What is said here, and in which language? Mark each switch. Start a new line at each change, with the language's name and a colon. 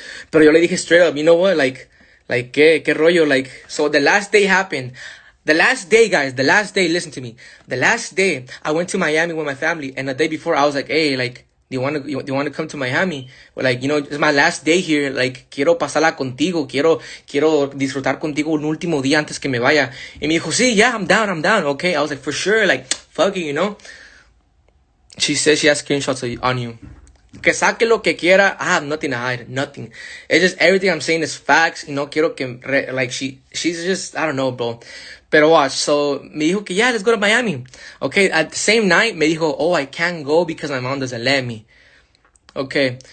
English: Pero yo le dije straight up, you know what, like qué rollo, like. So the last day happened, the last day, guys, the last day, listen to me, the last day I went to Miami with my family, and the day before I was like, "Hey, like, do you want to come to Miami? Well, like, you know, it's my last day here.
Spanish: Like, quiero pasarla contigo. Quiero disfrutar contigo un último día antes que me vaya."
English: And me dijo, "Sí, yeah, I'm down. Okay." I was like, "For sure, like, fuck you, you know." She says she has screenshots on you. Que saque lo que quiera. I have nothing to hide. Nothing. It's just everything I'm saying is facts. You know, quiero que re, like she's just, I don't know, bro. Pero watch. So me dijo que yeah, let's go to Miami. Okay. At the same night, me dijo, "Oh, I can't go because my mom doesn't let me." Okay.